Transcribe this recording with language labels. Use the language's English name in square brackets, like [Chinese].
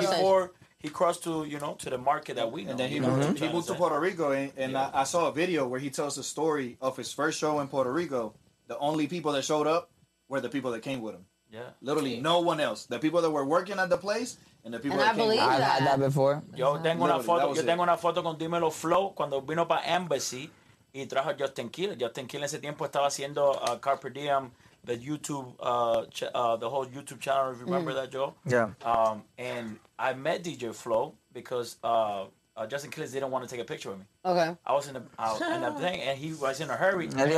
[English] before, he crossed to, you know, to the market that we know. And then he moved to Puerto Rico, and yeah. I saw a video where he tells the story of his first show in Puerto Rico. The only people that showed up were the people that came with him. Yeah. Literally no one else. The people that were working at the place and the people that I came with him. I've had that before. [Spanish] Yo tengo una foto con Dímelo Flow cuando vino para Embassy y trajo Justin Kiel. Justin Kiel en ese tiempo estaba haciendo Carpe Diem. [English] The YouTube, the whole YouTube channel. Remember that, Joe? Yeah. And I met DJ Flo because Justin Kills didn't want to take a picture with me. Okay. I was in the thing, and he was in a hurry.